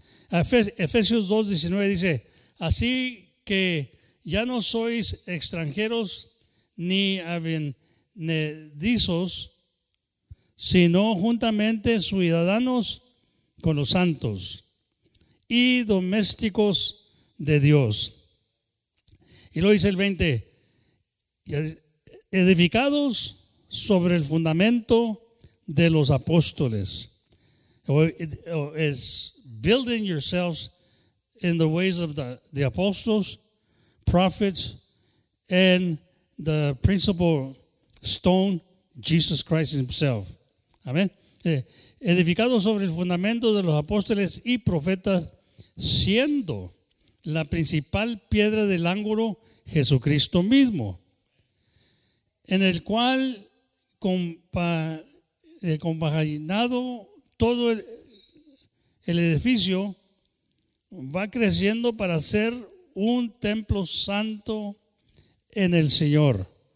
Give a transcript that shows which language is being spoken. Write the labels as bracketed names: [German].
[Spanish] Efesios 2:19 dice, así que ya no sois extranjeros ni advenedizos, sino juntamente ciudadanos con los santos y domésticos de Dios. Y lo dice el 20, edificados sobre el fundamento de los apóstoles. [English] Es building yourselves in the ways of the apostles, prophets, and the principal stone, Jesus Christ himself. [Spanish] Amén. Edificado sobre el fundamento de los apóstoles y profetas, siendo la principal piedra del ángulo Jesucristo mismo, en el cual compaginado todo el edificio va creciendo para ser un templo santo en el Señor.